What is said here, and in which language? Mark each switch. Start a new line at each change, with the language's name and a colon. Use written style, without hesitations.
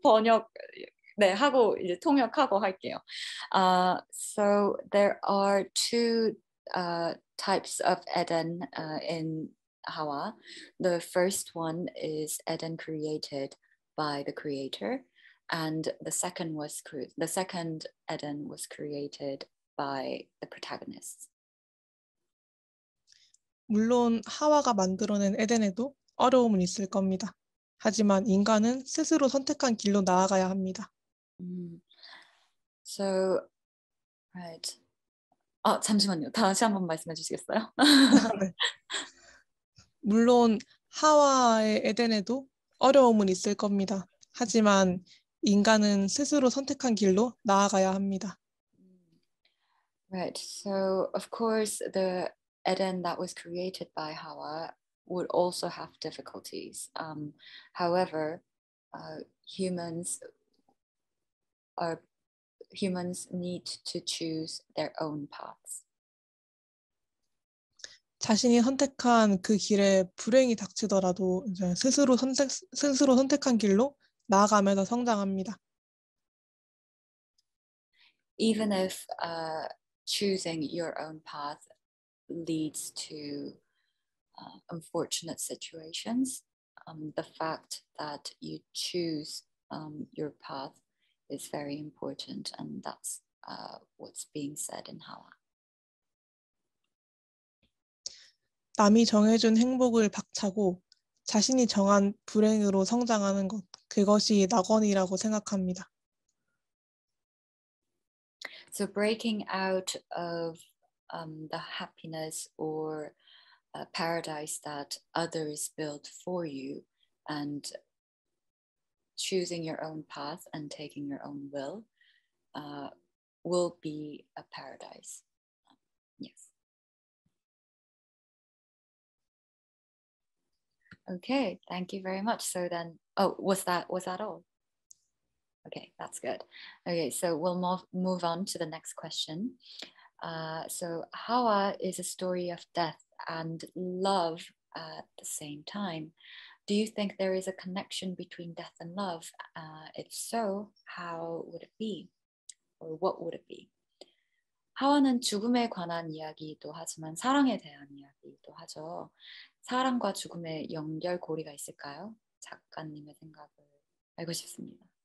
Korean: 번역 네 하고 이제 통역하고 할게요.
English: So there are two types of Eden in Hawa. The first one is Eden created by the creator, and the second Eden was created by the protagonists.
Korean: 물론 하와가 만들어낸 에덴에도 어려움은 있을 겁니다. 하지만 인간은 스스로 선택한 길로 나아가야 합니다.
English: So, right.
Korean: 아, 잠시만요. 다시 한번 말씀해 주시겠어요? 물론 하와의 에덴에도 어려움은 있을 겁니다. 하지만 인간은 스스로 선택한 길로 나아가야 합니다.
English: Right. So, of course, the Eden that was created by Hawa would also have difficulties. However, humans need to choose their own paths.
Korean: 자신이 선택한 그 길에 불행이 닥치더라도 이제 스스로 선택한 길로 나아가면서 성장합니다.
English: Even if choosing your own path leads to unfortunate situations, the fact that you choose your path is very important, and that's what's being said in Hawa.
Korean: 남이 정해준 행복을 박차고 자신이 정한 불행으로 성장하는 것, 그것이 낙원이라고 생각합니다.
English: So breaking out of the happiness or paradise that others built for you and choosing your own path and taking your own will be a paradise. Yes. Okay, thank you very much. So then, was that all? Okay, that's good. Okay, so we'll move on to the next question. So Hawa is a story of death and love at the same time. Do you think there is a connection between death and love? If so, how would it be? Or what would it be?
Korean: 하와는 죽음에 관한 이야기이기도 하지만 사랑에 대한 이야기이기도 하죠. 사랑과 죽음의 연결고리가 있을까요? 작가님의 생각을 알고 싶습니다.